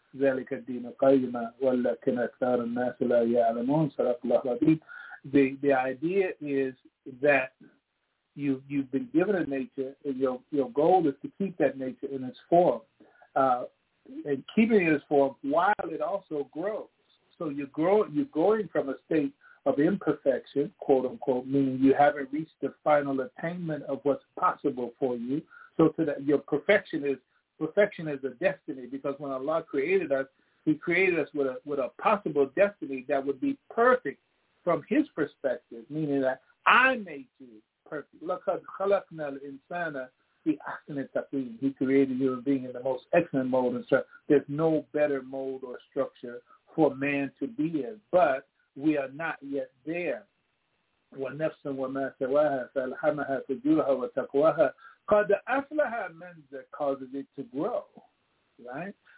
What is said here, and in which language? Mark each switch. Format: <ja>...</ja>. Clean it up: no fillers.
<ar>ذلك الدين قيما ولكن أكثر الناس لا يعلمون صدق الله العظيم.</ar> <en>The idea is that you've been given a nature, and your goal is to keep that nature in its form, and keeping it in its form while it also grows. So you're going from a state of imperfection, quote unquote, meaning you haven't reached the final attainment of what's possible for you. So to that, your perfection is a destiny, because when Allah created us, He created us with a possible destiny that would be perfect from His perspective, meaning that I made you perfect.</en> <ar>لَقَدْ خَلَقْنَا الْإِنسَانَ فِي أَحْسَنِ تَقْوِيمٍ.</ar> <en>He created a human being in the most excellent mold and structure. There's no better mold or structure for man to be in, but we are not yet there.</en> <ar>وَنَفْسٌ وَمَا سَوَاهَا فَأَلْحَمَهَا فُجُورَهَا وَتَقْوَاهَا قَدْ أَفْلَحَ مَنْ</ar> <en>causes it to grow, right?</en>